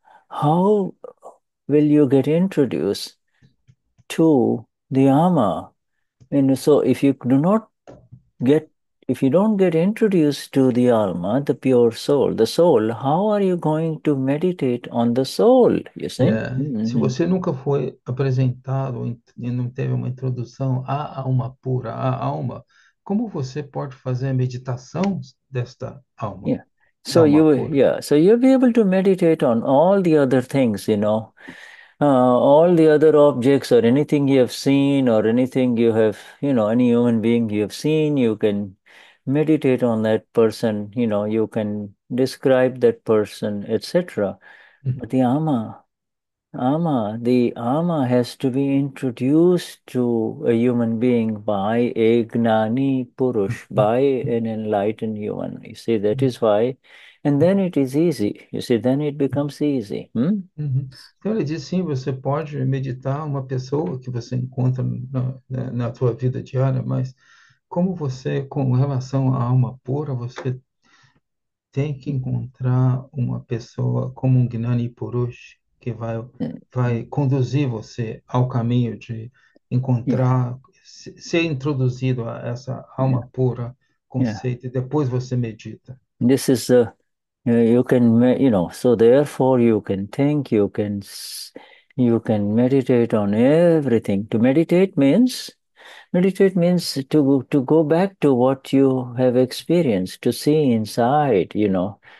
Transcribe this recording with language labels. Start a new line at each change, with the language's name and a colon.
English: How will you get introduced to the Ama? And so, if you do not get If you don't get introduced to the Alma, the pure soul, the soul, how are you going to meditate on the soul? You see?
Portuguese: Se você nunca foi apresentado e não teve uma introdução à alma pura, à alma, como você pode fazer a meditação desta alma, da alma pura?
English: So you'll be able to meditate on all the other things, you know. All the other objects or anything you have seen or anything you have, you know, any human being you have seen, you can meditate on that person, you know, you can describe that person, etc. But the Ama, Ama, the Ama has to be introduced to a human being by a Gnani Purush, by an enlightened human. You see, that is why. And then it is easy. You see, then it becomes easy.
Portuguese: Então ele diz, sim, você pode meditar uma pessoa que você encontra na sua vida diária, mas como você, com relação à alma pura, você tem que encontrar uma pessoa como um Gnani Purush, que vai conduzir você ao caminho de encontrar, ser introduzido a essa alma pura, conceito, e depois você medita.
English: This is a you can, you know, so therefore you can think, you can meditate on everything. To meditate means to go back to what you have experienced, to see inside, you know.